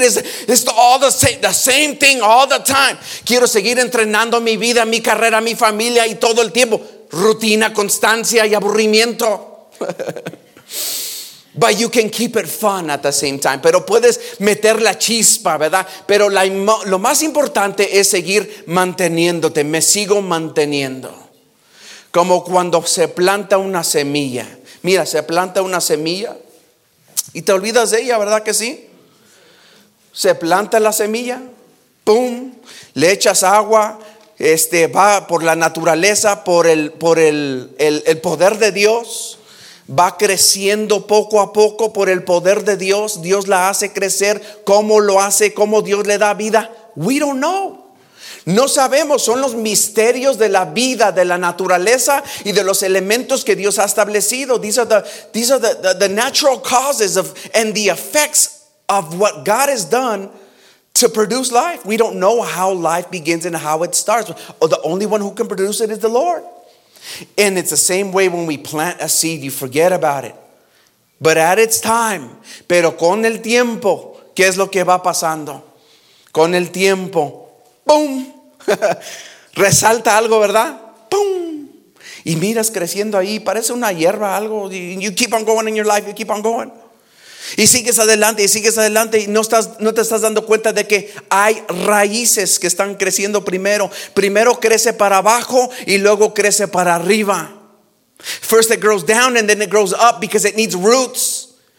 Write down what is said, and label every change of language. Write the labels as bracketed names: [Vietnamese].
[English] It's all the same thing all the time. [Spanish] Quiero seguir entrenando mi vida, mi carrera, mi familia y todo el tiempo. Rutina, constancia y aburrimiento. [English] But you can keep it fun at the same time. [Spanish] Pero puedes meter la chispa, ¿verdad? Pero lo más importante es seguir manteniéndote. Me sigo manteniendo. Como cuando se planta una semilla. Mira, se planta una semilla y te olvidas de ella, ¿verdad que sí? Se planta la semilla, pum, le echas agua, va por la naturaleza, por el poder de Dios, va creciendo poco a poco por el poder de Dios. Dios la hace crecer. ¿Cómo lo hace? ¿Cómo Dios le da vida? [English] We don't know. [Spanish] No sabemos, son los misterios de la vida, de la naturaleza y de los elementos que Dios ha establecido. [English] These are the natural causes of and the effects of what God has done to produce life. We don't know how life begins and how it starts. The only one who can produce it is the Lord. And it's the same way when we plant a seed, you forget about it. But at its time, [Spanish] pero con el tiempo, ¿qué es lo que va pasando? Con el tiempo, ¡boom! Resalta algo, ¿verdad? ¡Pum! Y miras creciendo ahí, parece una hierba, algo. [English] You keep on going in your life, you keep on going. [Spanish] Y sigues adelante, y sigues adelante, y no te estás dando cuenta de que hay raíces que están creciendo primero. Primero crece para abajo y luego crece para arriba. [English] First it grows down and then it grows up because it needs roots.